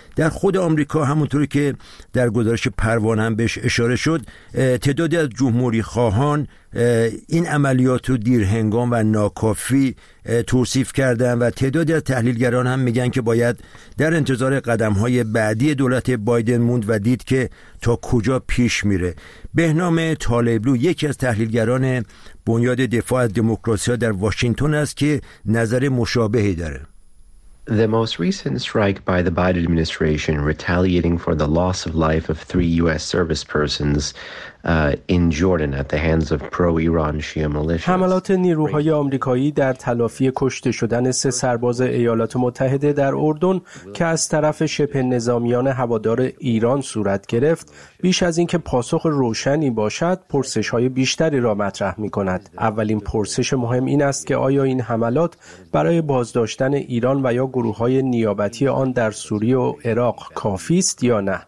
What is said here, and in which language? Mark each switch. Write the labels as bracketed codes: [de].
[fa] در خود آمریکا همونطوری که در گزارش پروانه هم بهش اشاره شد، تعدادی از جمهوری‌خواهان این عملیات رو دیرهنگام و ناکافی توصیف کردن و تعدادی از تحلیلگران هم میگن که باید در انتظار قدم‌های بعدی دولت بایدن موند و دید که تا کجا پیش میره. بهنام طالبلو یکی از تحلیلگران بنیاد دفاع از دموکراسی ها در واشنگتن است که نظر مشابهی داره. [en] The most recent strike by the Biden administration retaliating for the loss of life of three U.S. service persons in Jordan at the hands of pro-Iran Shia militias. [fa] حملات نیروهای آمریکایی در تلافی کشته شدن سه سرباز ایالات متحده در اردن که از طرف شبه نظامیان هوادار ایران صورت گرفت، بیش از اینکه پاسخ روشنی باشد، پرسش‌های بیشتری را مطرح می‌کند. اولین پرسش مهم این است که آیا این حملات برای بازداشتن ایران و یا گروه‌های نیابتی آن در سوریه و عراق کافی است یا نه.